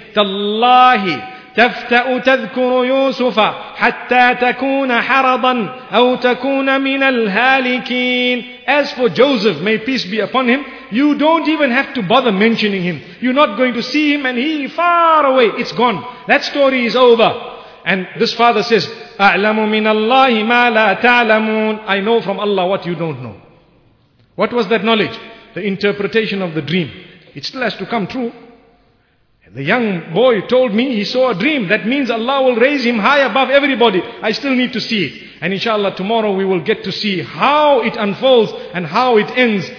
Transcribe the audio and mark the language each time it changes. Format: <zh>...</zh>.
<ar>تَاللَّهِ تَفْتَأُ تَذْكُرُ يُوسُفَ حَتَّى تَكُونَ حَرَضًا أَوْ تَكُونَ مِنَ الْهَالِكِينَ.</ar> <en>As for Joseph, may peace be upon him, you don't even have to bother mentioning him. You're not going to see him and he far away, it's gone. That story is over. And this father says,</en> <ar>أَعْلَمُ مِنَ اللَّهِ مَا لَا تَعْلَمُونَ.</ar> <en>I know from Allah what you don't know. What was that knowledge? The interpretation of the dream. It still has to come true. The young boy told me he saw a dream. That means Allah will raise him high above everybody. I still need to see it. And inshallah tomorrow we will get to see how it unfolds and how it ends.</en>